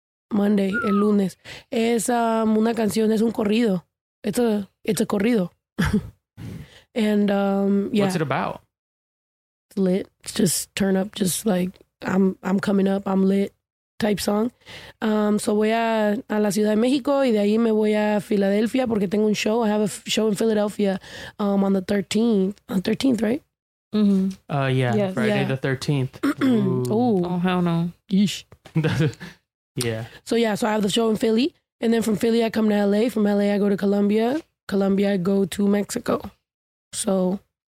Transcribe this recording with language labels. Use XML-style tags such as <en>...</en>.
<es>Monday, el lunes. Es una canción, es un corrido.</es> <en>It's a corrido. And yeah. What's it about? Lit, it's just turn up, just like I'm coming up, I'm lit type song.</en> <es>So voy a la Ciudad de México y de ahí me voy a Filadelfia porque tengo un show.</es> <en>I have a show in Philadelphia on the 13th, right? Mm-hmm. Yeah, yes. Friday yeah. The 13th. Ooh. Oh, hell no. Yeesh. Yeah. So I have the show in Philly and then from Philly I come to LA. From LA I go to Colombia. Colombia I go to Mexico. So</en>